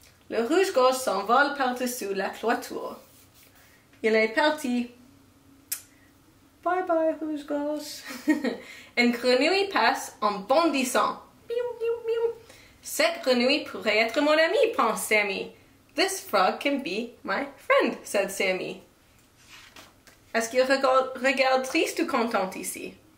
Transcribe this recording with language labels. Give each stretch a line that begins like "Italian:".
French: Le rouge-gorge s'envole par-dessus la clôture. Il est parti. Bye-bye, rouge-gorge. Une grenouille passe en bondissant. Bioum, bioum, bioum. Cette grenouille pourrait être mon amie, pense Sammy.
English: This frog can be my friend, said Sammy.
French: Est-ce qu'il regarde triste ou contente ici?